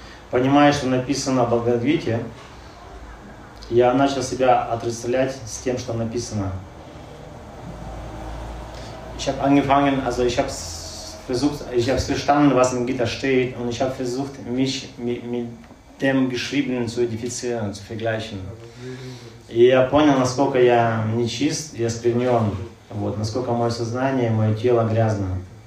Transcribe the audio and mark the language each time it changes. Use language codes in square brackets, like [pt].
[ru] понимая, что написано в Бхагавад-гите, я начал себя отрицать с тем, что написано. [de] Ich habe angefangen, also ich habe versucht, ich habe verstanden, was in Gita steht, und ich habe versucht, mich mit dem Geschriebenen zu identifizieren, zu vergleichen. [ru] И я понял, насколько я нечист, я осквернен, вот, насколько мое сознание, мое тело грязно.